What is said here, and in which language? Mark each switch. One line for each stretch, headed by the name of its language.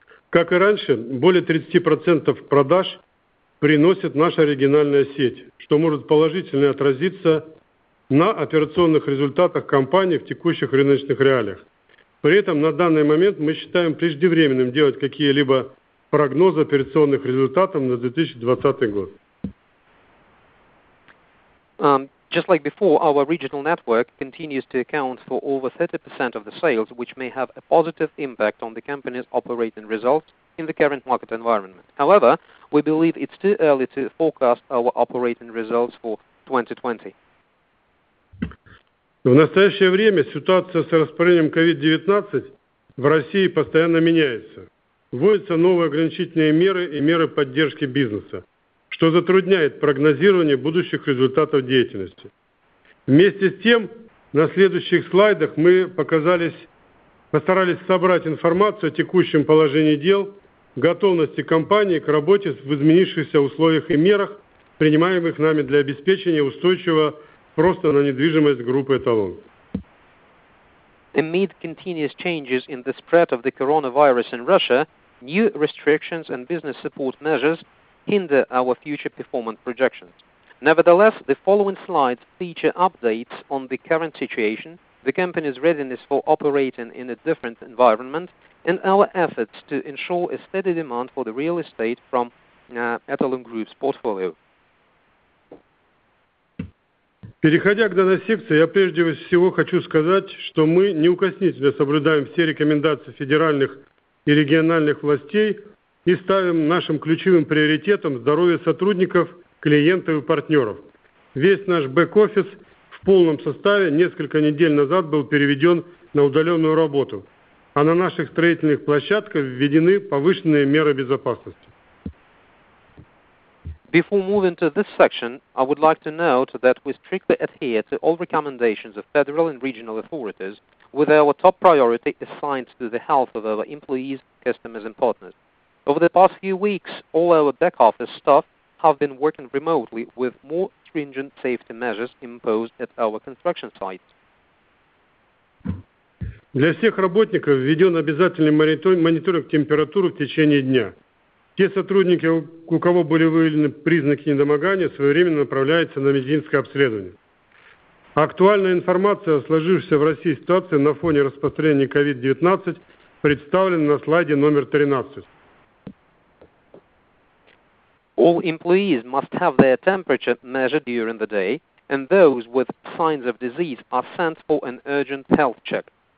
Russian: Как и раньше, более 30% продаж приносит наша региональная сеть, что может положительно отразиться на операционных результатах компании в текущих рыночных реалиях. При этом на данный момент мы считаем преждевременным делать какие-либо прогнозы операционных результатов на 2020 год.
English: Just like before, our regional network continues to account for over 30% of the sales, which may have a positive impact on the company's operating results in the current market environment. However, we believe it's too early to forecast our operating results for 2020.
Russian: В настоящее время ситуация с распространением COVID-19 в России постоянно меняется. Вводятся новые ограничительные меры и меры поддержки бизнеса, что затрудняет прогнозирование будущих результатов деятельности. Вместе с тем, на следующих слайдах мы постарались собрать информацию о текущем положении дел, готовности компании к работе в изменившихся условиях и мерах, принимаемых нами для обеспечения устойчивого спроса на недвижимость группы «Эталон».
English: Amid continuous changes in the spread of the coronavirus in Russia, new restrictions and business support measures hinder our future performance projections. Nevertheless, the following slides feature updates on the current situation, the company's readiness for operating in a different environment, and our efforts to ensure a steady demand for the real estate from Etalon Group's portfolio.
Russian: Переходя к данной секции, я прежде всего хочу сказать, что мы неукоснительно соблюдаем все рекомендации федеральных и региональных властей и ставим нашим ключевым приоритетом здоровье сотрудников, клиентов и партнеров. Весь наш бэк-офис в полном составе несколько недель назад был переведен на удаленную работу, а на наших строительных площадках введены повышенные меры безопасности.
English: Before moving to this section, I would like to note that we strictly adhere to all recommendations of federal and regional authorities, with our top priority assigned to the health of our employees, customers, and partners. Over the past few weeks, all our back office staff have been working remotely with more stringent safety measures imposed at our construction sites.
Russian: Для всех работников введен обязательный мониторинг температуры в течение дня. Те сотрудники, у кого были выявлены признаки недомогания, своевременно направляются на медицинское обследование. Актуальная информация о сложившейся в России ситуации на фоне распространения COVID-19 представлена на слайде номер 13.
English: All employees must have their temperature measured during the day, and those with signs of disease are sent for an urgent health check.